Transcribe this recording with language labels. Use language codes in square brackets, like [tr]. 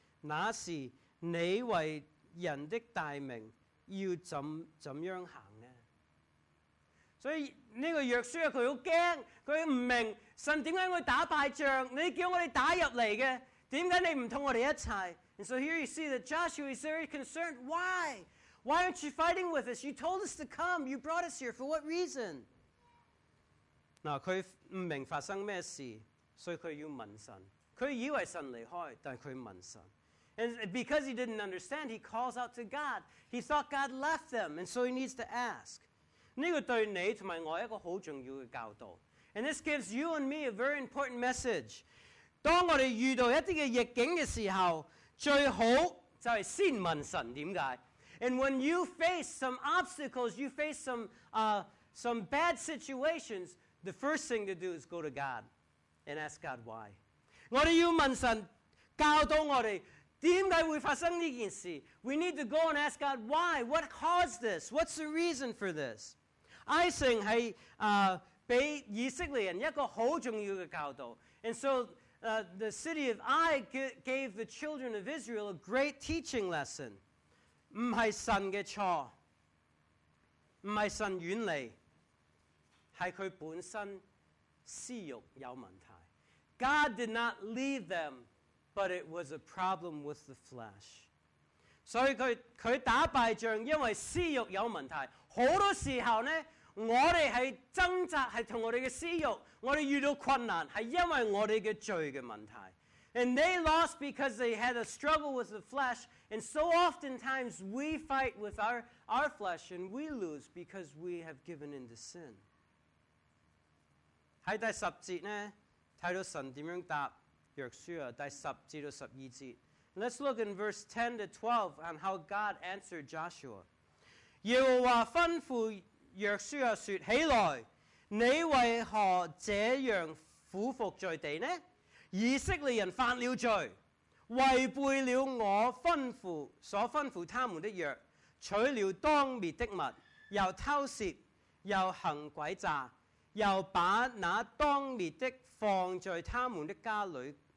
[zh] 那时你为人的大名要怎样行呢？所以这个约书亚他很害怕，他不明白神为什么会打败仗，你叫我们打入来的，为什么你不跟我们一起？ [en] And so here you see that Joshua is very concerned. Why? Why aren't you fighting with us? You told us to come. You brought us here. For what reason? [zh] 他不明白发生什么事，所以他要问神。他以为神离开，但他问神。 [en] And because he didn't understand, he calls out to God. He thought God left them, and so he needs to ask. [zh] 这个对你和我一个很重要的教导。 [en] And this gives you and me a very important message. [zh] 当我们遇到一些逆境的时候，最好就是先问神，为什么？ [en] And when you face some obstacles, you face some bad situations, the first thing to do is go to God and ask God why. [zh] 我们要问神，教导我们为什么会发生这件事? [en] We need to go and ask God why? What caused this? What's the reason for this? [zh] 埃城是被以色列人一个很重要的教导。 [en] And so the city of Ai gave the children of Israel a great teaching lesson. [zh] 不是神的错，不是神远离，是他本身私欲有问题。 [en] God did not leave them. But it was a problem with the flesh. So he [zh] 打敗仗因為私欲有問題。很多時候呢，我們是掙扎是跟我們的私欲，我們遇到困難是因為我們的罪的問題。 [en] And they lost because they had a struggle with the flesh. And so oftentimes we fight with our flesh and we lose because we have given in to sin. [zh] 在第十節呢，看到神怎樣答約書亞第十至到十二節。 [en] Let's look in verse 10 to 12 on how God answered Joshua. [zh] 耶和華吩咐約書亞說：起來，你為何這樣俯伏在地呢？以色列人犯了罪，違背了我所吩咐他們的約，取了當滅的物，又偷竊，又行詭詐，又把那當滅的放在他們的家裏，